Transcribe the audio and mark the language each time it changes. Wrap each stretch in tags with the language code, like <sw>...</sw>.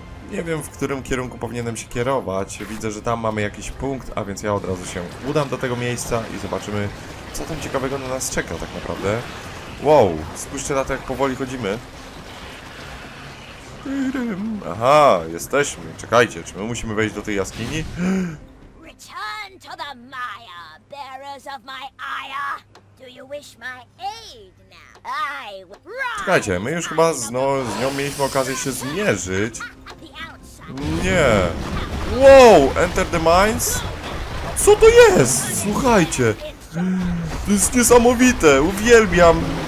<pl>Nie wiem, w którym kierunku powinienem się kierować. Widzę, że tam mamy jakiś punkt, a więc ja od razu się udam do tego miejsca i zobaczymy, co tam ciekawego na nas czeka tak naprawdę. Wow, spójrzcie na to, jak powoli chodzimy. Aha, jesteśmy. Czekajcie, czy my musimy wejść do tej jaskini?</pl> <en>Return to the Maya, bearers of my ire. Do you wish my aid now? I run.</en> <pl>Czekajcie, my już chyba z nią mieliśmy okazję się zmierzyć. Nie. Wow,</pl> <en>enter the mines?</en> <pl>Co to jest? Słuchajcie. To jest niesamowite. Uwielbiam.</pl>